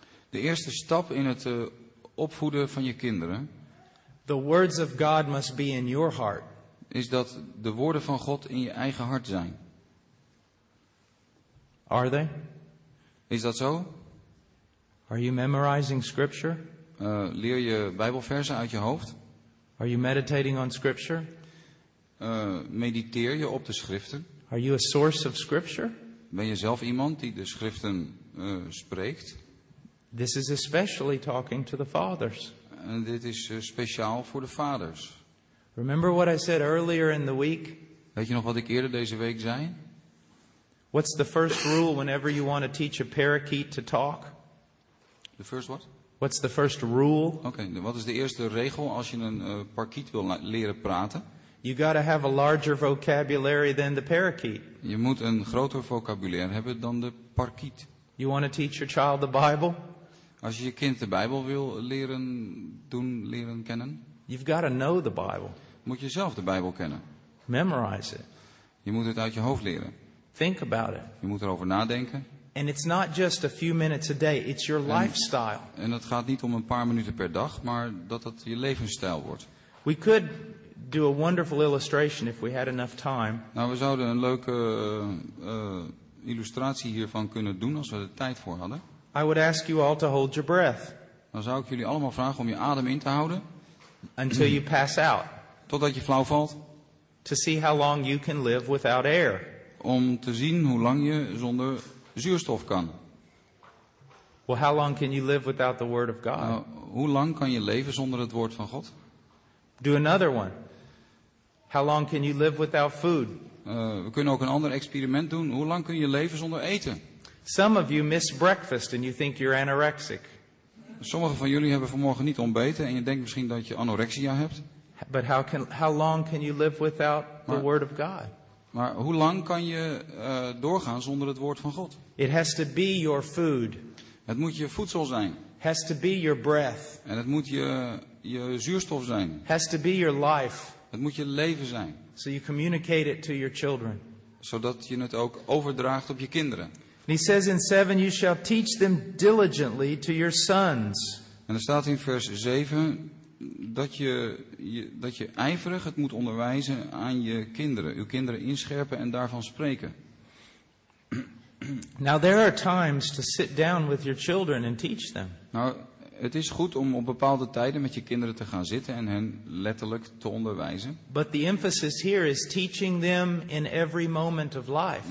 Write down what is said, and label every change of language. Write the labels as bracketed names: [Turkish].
[Dutch] De eerste stap in het opvoeden van je kinderen. [English] The words of God must be in your heart. [Dutch] Is dat de woorden van God in je eigen hart zijn. [English] Are they? [Dutch] Is dat zo? [English] Are you memorizing scripture? [Dutch] Leer je Bijbelversen uit je hoofd? [English] Are you meditating on scripture? [Dutch] Mediteer je op de schriften? [English] Are you a source of scripture? [Dutch] Ben je zelf iemand die de schriften spreekt? [English] This is especially talking to the fathers. [Dutch] En dit is speciaal voor de vaders. [English] Remember what I said earlier in the week? [Dutch] Weet je nog wat ik eerder deze week zei? [English] What's the first rule whenever you want to teach a parakeet to talk? The first what? What's the first rule? [Dutch] Okay, wat is de eerste regel als je een parakeet wil leren praten? [English] You got to have a larger vocabulary than the parakeet. [Dutch] Je moet een groter vocabulaire hebben dan de parakeet. [English] You want to teach your child the Bible? [Dutch] Als je je kind de Bijbel wil leren doen, leren kennen. [English] You've got to know the Bible. [Dutch] Moet je zelf de Bijbel kennen. [English] Memorize it. [Dutch] Je moet het uit je hoofd leren. [English] Think about it. [Dutch] Je moet erover nadenken. [English] And it's not just a few minutes a day, it's your lifestyle. [Dutch] En het gaat niet om een paar minuten per dag, maar dat het je levensstijl wordt. [English] We could do a wonderful illustration if we had enough time. [Dutch] Nou, we zouden een leuke illustratie hiervan kunnen doen als we er tijd voor hadden. [English] I would ask you all to hold your breath. [Dutch] Dan zou ik jullie allemaal vragen om je adem in te houden. [English] Until you pass out. [Dutch] Totdat je flauw valt. [English] To see how long you can live without air. [Dutch] Om te zien hoe lang je zonder zuurstof kan. [English] Well, how long can you live without the word of God? [Dutch] Hoe lang kan je leven zonder het woord van God? [English] Do another one. How long can you live without food? [Dutch] We kunnen ook een ander experiment doen. Hoe lang kun je leven zonder eten? [English] Some of you miss breakfast and you think you're anorexic. [Dutch] Sommige van jullie hebben vanmorgen niet ontbeten en je denkt misschien dat je anorexia hebt. [English] But how long can you live without the word of God? [Dutch] Maar hoe lang kan je doorgaan zonder het woord van God? [English] It has to be your food. [Dutch] Het moet je voedsel zijn. [English] Has to be your breath. [Dutch] En het moet je zuurstof zijn. [English] Has to be your life. [Dutch] Het moet je leven zijn. [English] So you communicate it to your children. [Dutch] Zodat je het ook overdraagt op je kinderen. [English] And he says in 7, you shall teach them diligently to your sons. [Dutch] En er staat in vers 7 dat je ijverig het moet onderwijzen aan je kinderen, uw kinderen inscherpen en daarvan spreken. [English] Now there are times to sit down with your children and teach them. [Dutch] Nou, het is goed om op bepaalde tijden met je kinderen te gaan zitten en hen letterlijk te onderwijzen. [English] But the emphasis here is teaching them in every moment of life.